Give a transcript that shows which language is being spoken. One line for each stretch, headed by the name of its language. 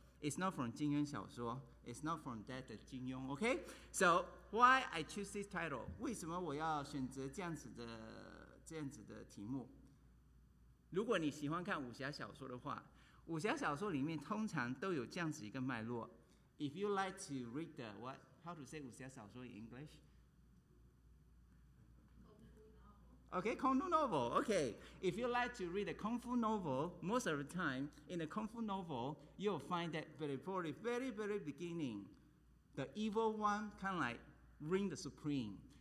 English: It's not from 金庸小说, it's not from that 金庸, okay? So, why I choose this title?
Chinese: 为什么我要选择这样子的题目? 如果你喜欢看武侠小说的话, 武侠小说里面通常都有这样子一个脉络。
English: If you like to read the, what, how to say 武侠小说 in English? Okay, Kung Fu novel, okay. If you like to read a Kung Fu novel, most of the time, in a Kung Fu novel, you'll find that very, very beginning, the evil one kind of like ring the supreme.